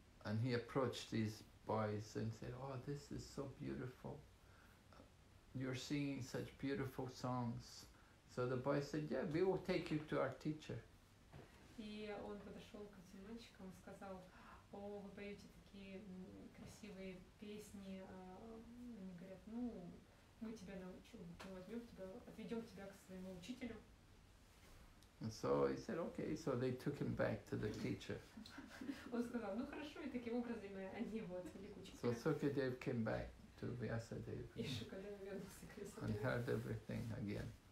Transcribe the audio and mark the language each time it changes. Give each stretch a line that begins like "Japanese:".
English: And he approached these boys and said, "Oh, this is so beautiful. You're singing such beautiful songs." So the boys said, "Yeah, we will take you to our teacher."
Russian: И он подошел к этим мальчикам и сказал, о, вы поете такие красивые песни. Они говорят, ну, мы тебя научим, мы отведем тебя к своему учителю.
English: And so he said, okay, so they took him back to the teacher. So Sukadev came back to Vyasadeva and heard everything again.